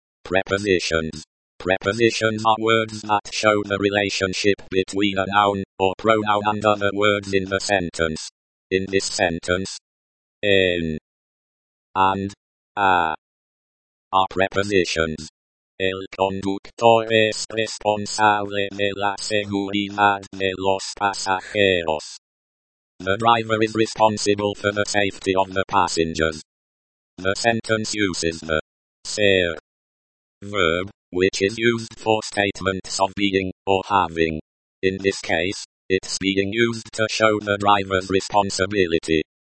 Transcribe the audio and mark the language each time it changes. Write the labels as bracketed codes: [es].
[en] Prepositions. Prepositions are words that show the relationship between a noun or pronoun and other words in the sentence. In this sentence, en and a are prepositions. [es] El conductor es responsable de la seguridad de los pasajeros. [en] The driver is responsible for the safety of the passengers. The sentence uses the ser verb, which is used for statements of being or having. In this case, it's being used to show the driver's responsibility.